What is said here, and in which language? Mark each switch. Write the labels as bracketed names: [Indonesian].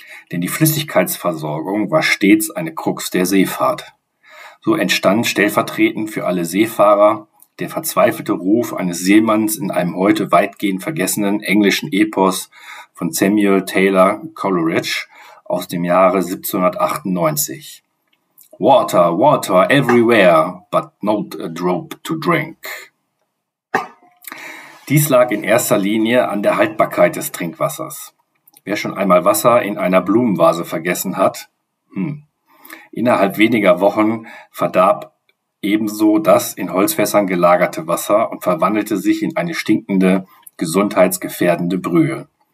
[German] Denn die Flüssigkeitsversorgung war stets eine Krux der Seefahrt. So entstand stellvertretend für alle Seefahrer der verzweifelte Ruf eines Seemanns in einem heute weitgehend vergessenen englischen Epos von Samuel Taylor Coleridge aus dem Jahre 1798. [English] Water, water everywhere, but not a drop to drink. [German] Dies lag in erster Linie an der Haltbarkeit des Trinkwassers. Wer schon einmal Wasser in einer Blumenvase vergessen hat, innerhalb weniger Wochen verdarb ebenso das in Holzfässern gelagerte Wasser und verwandelte sich in eine stinkende, gesundheitsgefährdende Brühe.